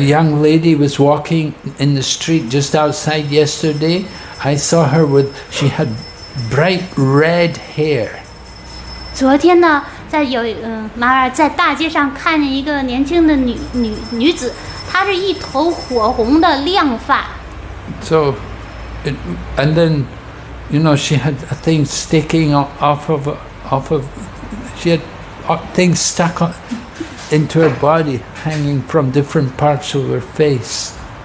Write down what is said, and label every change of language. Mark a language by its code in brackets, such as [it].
[en] young lady was walking in the street just outside yesterday. I saw her with, she had bright red hair. [zh] 昨天呢，在马尔在大街上看见一个年轻的女子，她是一头火红的亮发。 [en] So, and then, you know, she had a thing sticking off of, she had things stuck on, into her body, hanging from different parts of her face.